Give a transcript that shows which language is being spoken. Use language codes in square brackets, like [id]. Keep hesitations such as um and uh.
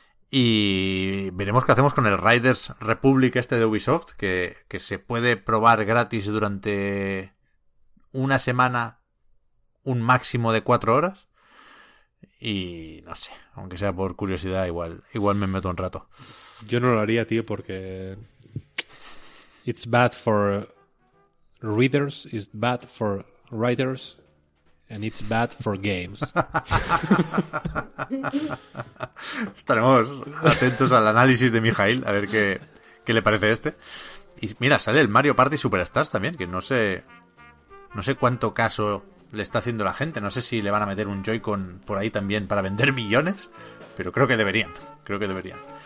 [es] Y veremos qué hacemos con el Riders Republic este de Ubisoft, que, que se puede probar gratis durante una semana, un máximo de cuatro horas. Y no sé, aunque sea por curiosidad, igual, igual me meto un rato. Yo no lo haría, tío, porque. [en] It's bad for readers, it's bad for writers, and it's bad for games. [es] Estaremos atentos al análisis de Mijail, a ver qué, qué le parece este. Y mira, sale el Mario Party Superstars también, que no sé. No sé cuánto caso le está haciendo la gente. No sé si le van a meter un Joy-Con por ahí también para vender millones. Pero creo que deberían. Creo que deberían.